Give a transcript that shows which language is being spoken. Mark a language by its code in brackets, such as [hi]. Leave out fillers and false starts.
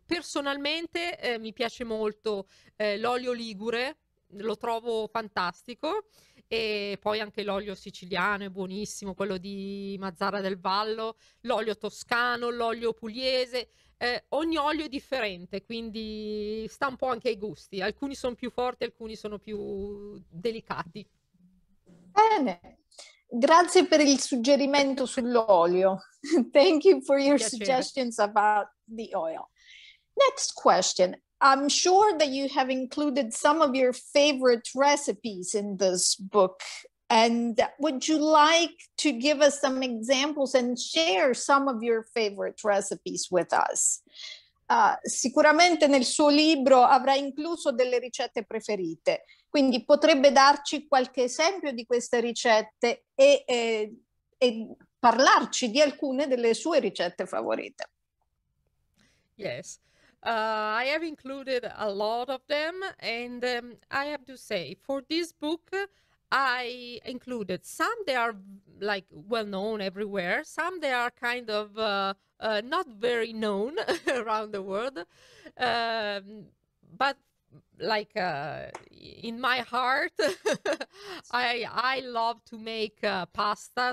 [it] Personalmente mi piace molto l'olio ligure, lo trovo fantastico, e poi anche l'olio siciliano è buonissimo, quello di Mazzara del Vallo, l'olio toscano, l'olio pugliese. Ogni olio è differente, quindi sta un po' anche ai gusti. Alcuni sono più forti, alcuni sono più delicati. Bene, grazie per il suggerimento sull'olio. [en] Thank you for your suggestions about the oil. Next question. I'm sure that you have included some of your favorite recipes in this book. And would you like to give us some examples and share some of your favorite recipes with us? [it] Sicuramente nel suo libro avrà incluso delle ricette preferite, quindi potrebbe darci qualche esempio di queste ricette e parlarci di alcune delle sue ricette favorite. [en] Yes. I have included a lot of them, and I have to say, for this book, I included some. They are like well known everywhere. Some they are kind of not very known around the world, but like in my heart, I love to make pasta.